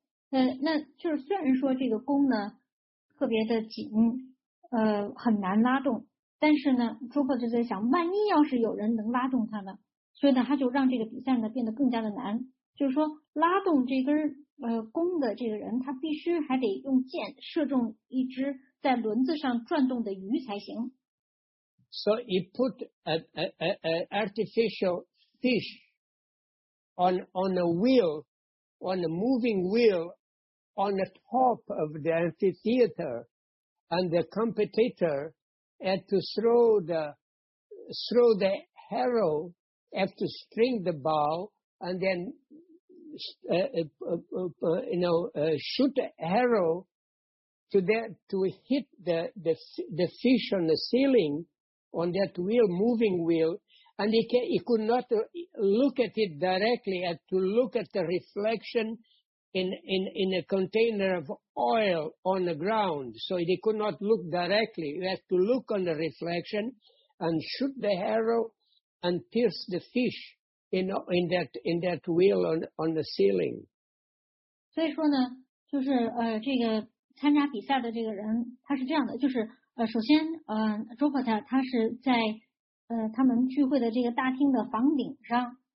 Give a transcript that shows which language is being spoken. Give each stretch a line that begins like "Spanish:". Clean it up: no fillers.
Chinese: 那就是虽然说这个弓呢特别的紧，很难拉动，但是呢，朱克就在想，万一要是有人能拉动它呢，所以呢，他就让这个比赛呢变得更加的难。就是说，拉动这根弓的这个人，他必须还得用箭射中一只在轮子上转动的鱼才行。
English: So he put a artificial fish on a wheel, on a moving wheel, on the top of the amphitheater, and the competitor had to throw the arrow, have to string the bow, and then shoot the arrow to hit the fish on the ceiling. On that wheel, moving wheel, and he could not look at it directly, had to look at the reflection in a container of oil on the ground, so he could not look directly. He had to look on the reflection and shoot the arrow and pierce the fish in that wheel on the ceiling.
Chinese: 所以说呢，就是这个参加比赛的这个人，他是这样的，就是首先，周伯特他是在他们聚会的这个大厅的房顶上。